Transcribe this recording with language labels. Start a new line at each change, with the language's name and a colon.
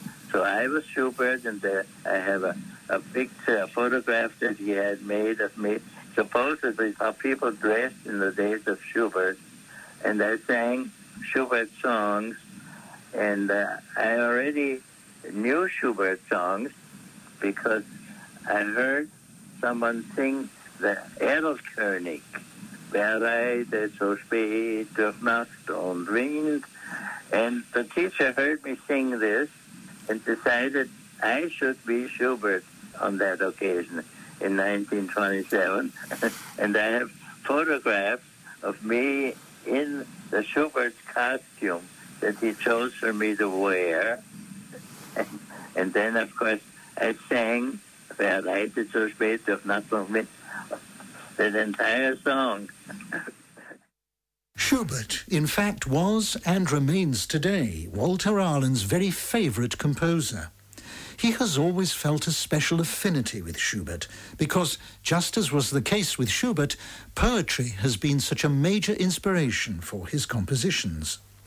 English: So I was Schubert, and I have a picture, a photograph that he had made of me, supposedly how people dressed in the days of Schubert, and I sang Schubert songs, and I already knew Schubert songs because I heard someone sing the Erlkönig.
German: Bereite so spät durch Nacht und Wind.
English: And the teacher heard me sing this and decided I should be Schubert on that occasion in 1927. And I have photographs of me in the Schubert costume that he chose for me to wear. And then, of course, I sang
German: Bereite so spät durch Nacht und Wind.
English: An entire song. Schubert, in fact, was and remains today Walter Arlen's very favourite composer. He has always felt a special affinity with Schubert because, just as was the case with Schubert, poetry has been such a major inspiration for his compositions.